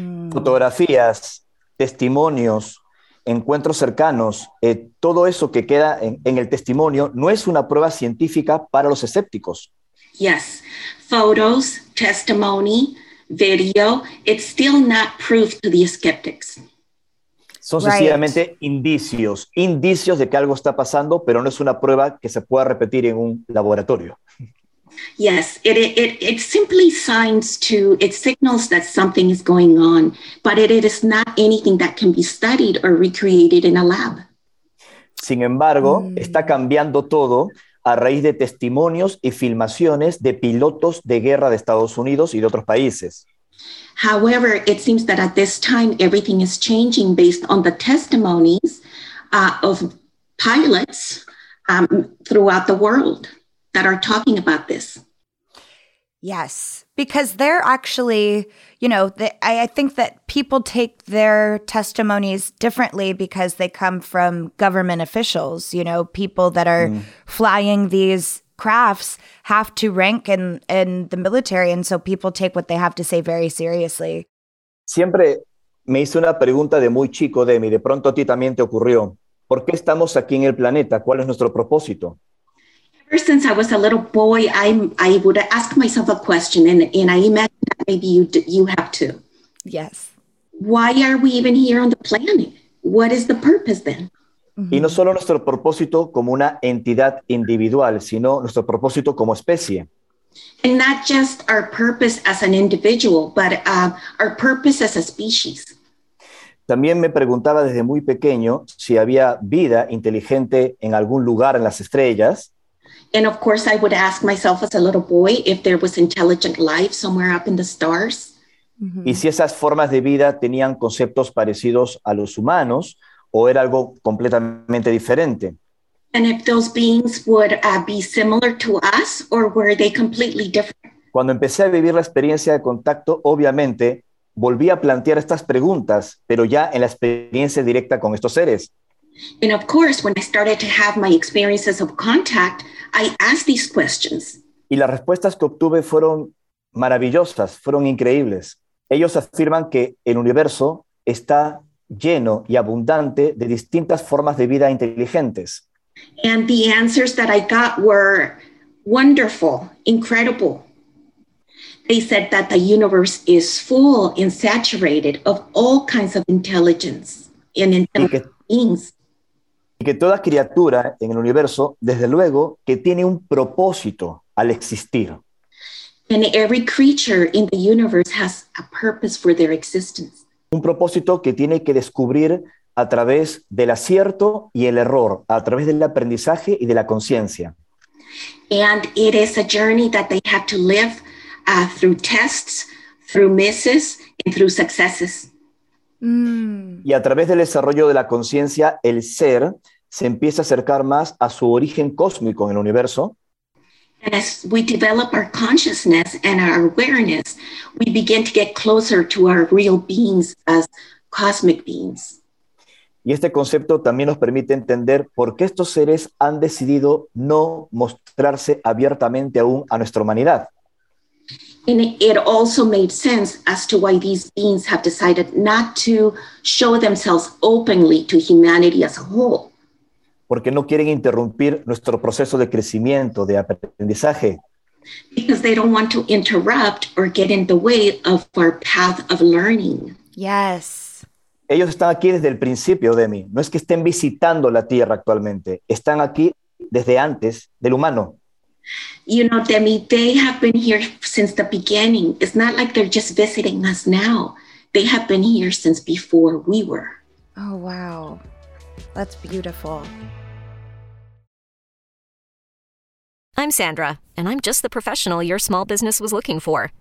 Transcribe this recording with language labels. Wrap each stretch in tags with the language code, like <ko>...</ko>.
<es>Fotografías, testimonios, encuentros cercanos, todo eso que queda en el testimonio no es una prueba científica para los escépticos.</es> <en>Yes, photos, testimony, video, it's still not proof to the skeptics.</en> <es>Son sencillamente</es> <en>right.</en> <es>indicios de que algo está pasando, pero no es una prueba que se pueda repetir en un laboratorio.</es> <en>Yes, it simply signs to, it signals that something is going on, but it is not anything that can be studied or recreated in a lab.</en> <es>Sin embargo, está cambiando todo a raíz de testimonios y filmaciones de pilotos de guerra de Estados Unidos y de otros países.</es> <en>However, it seems that at this time, everything is changing based on the testimonies of pilots throughout the world that are talking about this. Yes, because they're actually, you know, I think that people take their testimonies differently because they come from government officials, you know, people that are flying these crafts have to rank in the military, and so people take what they have to say very seriously.</en> <es>Siempre me hice una pregunta de muy chico, Demi, de pronto a ti también te ocurrió. ¿Por qué estamos aquí en el planeta? ¿Cuál es nuestro propósito?</es> <en>Ever since I was a little boy, I would ask myself a question, and I imagine that maybe you have to. Yes. Why are we even here on the planet? What is the purpose then?</en> <es>Y no solo nuestro propósito como una entidad individual, sino nuestro propósito como especie.</es> <en>And not just our purpose as an individual, but our purpose as a species.</en> <es>También me preguntaba desde muy pequeño si había vida inteligente en algún lugar en las estrellas.</es> <en>And of course I would ask myself as a little boy if there was intelligent life somewhere up in the stars.</en> <es>Y si esas formas de vida tenían conceptos parecidos a los humanos, o era algo completamente diferente.</es> <en>And if those beings would be similar to us, or were they completely different?</en> <es>Cuando empecé a vivir la experiencia de contacto, obviamente, volví a plantear estas preguntas, pero ya en la experiencia directa con estos seres.</es> <en>And of course, when I started to have my experiences of contact, I asked these questions.</en> <es>Y las respuestas que obtuve fueron maravillosas, fueron increíbles. Ellos afirman que el universo está lleno y abundante de distintas formas de vida inteligentes.</es> <en>And the answers that I got were wonderful, incredible. They said that the universe is full and saturated of all kinds of intelligence and intelligent beings.</en> <es>Y que toda criatura en el universo, desde luego, que tiene un propósito al existir.</es> <en>And every creature in the universe has a purpose for their existence.</en> <es>Un propósito que tiene que descubrir a través del acierto y el error, a través del aprendizaje y de la conciencia.</es> <en>And it is a journey that they have to live through tests, through misses, and through successes.</en> <es>Y a través del desarrollo de la conciencia, el ser se empieza a acercar más a su origen cósmico en el universo.</es> <en>As we develop our consciousness and our awareness, we begin to get closer to our real beings as cosmic beings.</en> <es>Y este concepto también nos permite entender por qué estos seres han decidido no mostrarse abiertamente aún a nuestra humanidad.</es> <en>And it also made sense as to why these beings have decided not to show themselves openly to humanity as a whole.</en> <es>Porque no quieren interrumpir nuestro proceso de crecimiento, de aprendizaje.</es> <en>Because they don't want to interrupt or get in the way of our path of learning. Yes.</en> <es>Ellos están aquí desde el principio, Demi. No es que estén visitando la Tierra actualmente. Están aquí desde antes del humano.</es> <en>You know, Demi, they have been here since the beginning. It's not like they're just visiting us now. They have been here since before we were. Oh, wow. That's beautiful. I'm Sandra, and I'm just the professional your small business was looking for.</en>